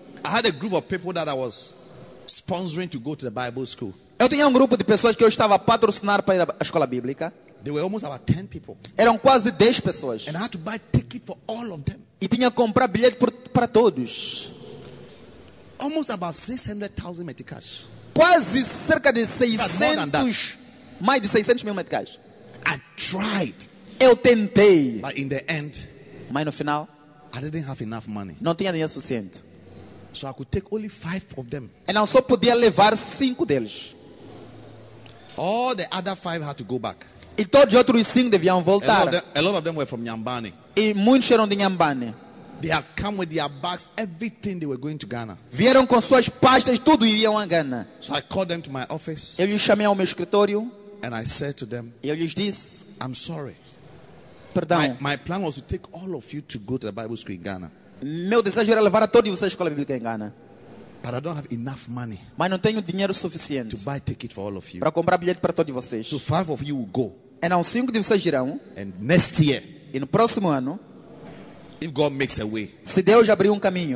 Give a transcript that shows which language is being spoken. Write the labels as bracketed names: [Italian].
[English] I had a group of people that I was sponsoring to go to the Bible school. [Portuguese] Eu tinha um grupo de pessoas que eu estava a patrocinar para ir à escola bíblica. [English] There were almost about 10 people. [Portuguese] Eram quase 10 pessoas. [English] And I had to buy ticket for all of them. [Portuguese] E tinha que comprar bilhete para todos. [English] Almost about 600,000 meticais. [Portuguese] Quase cerca de 600, mais de 600 mil meticais. [English] I tried. [Portuguese] Eu tentei. [English] But in the end, [Portuguese] mas no final, [English] I didn't have enough money. [Portuguese] Não tinha dinheiro suficiente. [English] So I could take only 5 of them. [Portuguese] E não só podia levar 5 deles. [English] All the other 5 had to go back. [Portuguese] E todos os outros 5 deviam voltar. [English] A lot of them were from Nyambane. [Portuguese] E muitos eram de Nyambane. [English] They had come with their bags, everything they were going to Ghana. [Portuguese] Vieram com suas pastas, tudo iriam a Ghana. [English] So I called them to my office. [Portuguese] Eu lhes chamei ao meu escritório. [English] And I said to them, [Portuguese] eu lhes disse, [English] I'm sorry. [Portuguese] Perdão. [English] My plan was to take all of you to go to the Bible school in Ghana. [Portuguese] Meu desejo era levar a todos vocês à escola bíblica em Ghana. [English] But I don't have enough money. [Portuguese] Mas não tenho dinheiro suficiente. [English] To buy ticket for all of you. [Portuguese] Para comprar bilhete para todos vocês. [English] So 5 of you will go. [Portuguese] E não, 5 de vocês irão. [English] And next year. [Portuguese] E no próximo ano. [English] If God makes a way, [Portuguese] se Deus abrir um caminho,